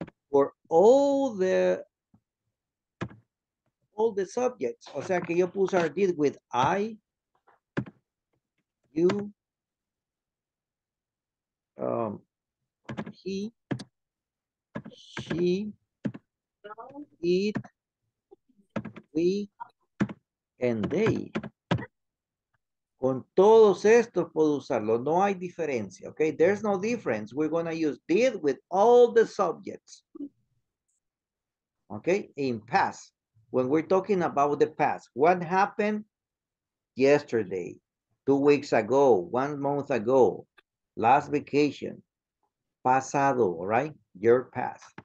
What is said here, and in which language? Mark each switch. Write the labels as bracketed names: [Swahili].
[English] For all the subjects, [Spanish] o sea que yo puse [English] our did with I, you, he, she, it, we, and they. [Spanish] Con todos estos puedo usarlo, no hay diferencia, okay? [English] There's no difference. We're gonna use did with all the subjects. Okay, in past, when we're talking about the past, what happened yesterday, 2 weeks ago, 1 month ago, last vacation, pasado, right? Your past.